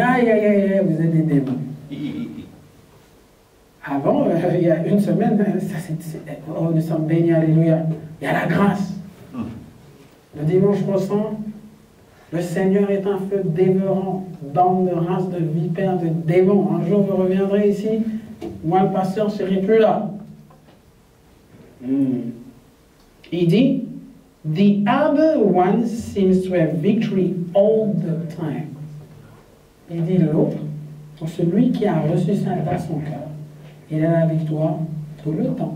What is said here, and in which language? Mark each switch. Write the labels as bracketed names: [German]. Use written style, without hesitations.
[French] Aïe, vous êtes des démons. Avant, il y a une semaine, ça, c'est, nous sommes bénis, alléluia. Il y a la grâce. Le dimanche prochain, le Seigneur est un feu dévorant, bande de races de vipères, de démons. Un jour, vous reviendrez ici, moi, le pasteur, je ne serai plus là. Il dit, [English] the other one seems to have victory all the time. [French] Il dit, l'autre, pour celui qui a reçu ça dans son cœur, il a la victoire tout le temps.